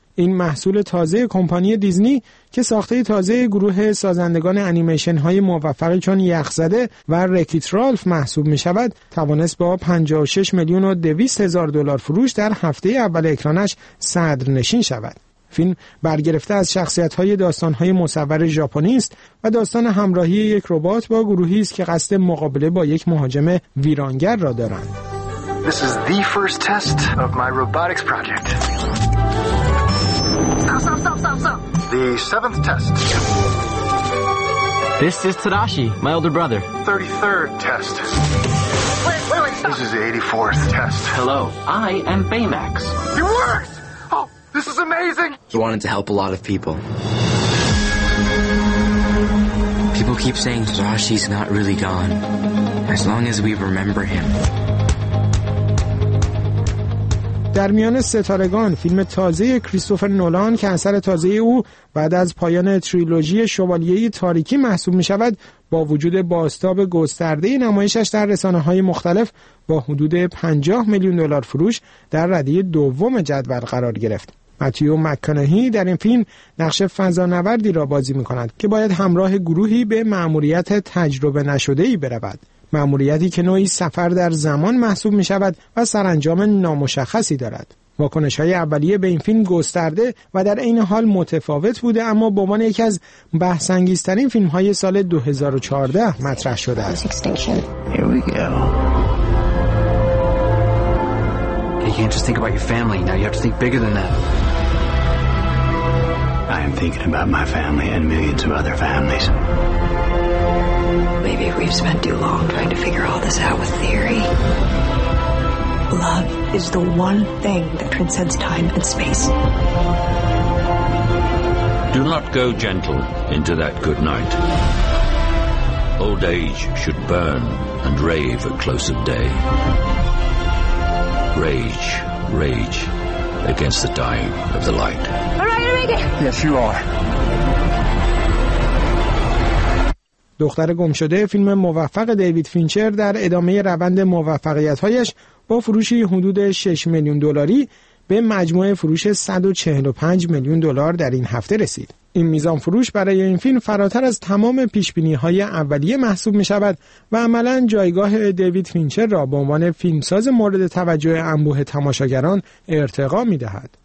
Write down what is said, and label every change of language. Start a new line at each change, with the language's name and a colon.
Persian: این محصول تازه کمپانی دیزنی که ساخته تازه گروه سازندگان انیمیشن‌های موفق چون یخزده و رکیت رالف محسوب می‌شود، توانست با 56 میلیون و 200 هزار دلار فروش در هفته اول اکرانش صدرنشین شود. فیلم برگرفته از شخصیت‌های داستان‌های مصور ژاپنی است و داستان همراهی یک ربات با گروهی است که قصد مقابله با یک مهاجم ویرانگر را دارند.
English: This is the first test of my robotics project. Stop. The seventh test. This is Tadashi, my older brother. 33rd test. Wait, stop. This is the 84th test. Hello, I am Baymax. It works! Oh, this is amazing! He wanted to help a lot of people. People keep saying Tadashi's not really gone. As long as we remember him.
Persian: در میان ستارگان فیلم تازه کریستوفر نولان که اثر تازه او بعد از پایان تریلوژی شوالیه تاریکی محسوب می شود، با وجود بازتاب گسترده نمایشش در رسانه های مختلف با حدود 50 میلیون دلار فروش در رده دوم جدول قرار گرفت. متیو مکانهی در این فیلم نقش فضانوردی را بازی می کند که باید همراه گروهی به مأموریت تجربه نشدهی برود. مأموریتی که نوعی سفر در زمان محسوب می شود و سرانجام نامشخصی دارد. واکنش های اولیه به این فیلم گسترده و در این حال متفاوت بوده، اما به عنوان یکی از بحث انگیزترین فیلم های سال 2014 مطرح شده است.
English: Here we go. You can't just think about your family, now you have to think bigger than that. I am thinking about my family and millions of other families. Maybe we've spent too long trying to figure all this out with theory. Love is the one thing that transcends time and space. Do not go gentle into that good night. Old age should burn and rave at close of day. Rage, rage against the dying of the light. Are I gonna make it? Yes, you are.
Persian: دختر گمشده فیلم موفق دیوید فینچر در ادامه روند موفقیت‌هایش با فروشی حدود 6 میلیون دلاری به مجموع فروش 145 میلیون دلار در این هفته رسید. این میزان فروش برای این فیلم فراتر از تمام پیش‌بینی‌های اولیه محسوب می‌شود و عملاً جایگاه دیوید فینچر را به عنوان فیلمساز مورد توجه انبوه تماشاگران ارتقا می‌دهد.